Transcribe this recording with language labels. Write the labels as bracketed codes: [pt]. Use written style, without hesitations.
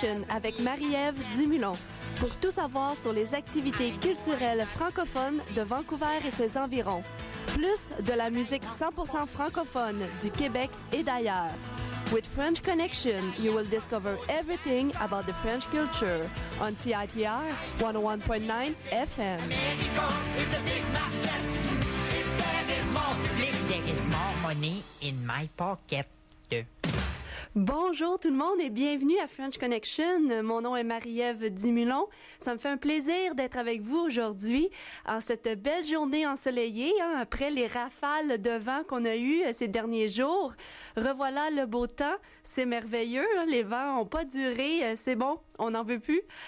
[fr] Avec Marie-Ève Dumoulin pour tout savoir sur les activités culturelles francophones de Vancouver et ses environs, plus de la musique 100% francophone du Québec et d'ailleurs. [en] With French Connection, you will discover everything about the French culture on CITR 101.9 FM. [fr] Bonjour tout le monde et bienvenue à French Connection. Mon nom est Marie-Ève Dumoulin. Ça me fait un plaisir d'être avec vous aujourd'hui en cette belle journée ensoleillée, hein, après les rafales de vent qu'on a eues ces derniers jours. Revoilà le beau temps. C'est merveilleux. Hein, les vents ont pas duré. C'est bon. On n'en veut plus.